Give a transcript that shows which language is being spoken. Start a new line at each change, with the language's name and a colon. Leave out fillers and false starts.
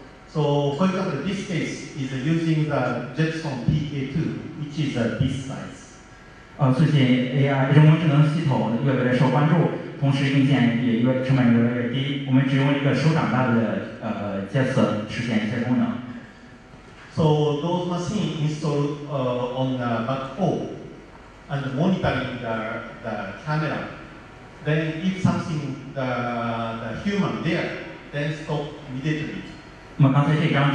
English: So, for example, this case is using the Jetson PK2, which is this size.
Chinese: 最近 AI 人工智能系统越来越受关注，同时硬件也成本越来越低。我们只用一个手掌大的Jetson 实现一些功能。
English: So those machines installed on the back hole and monitoring the camera. Then if something the human there, then stop immediately.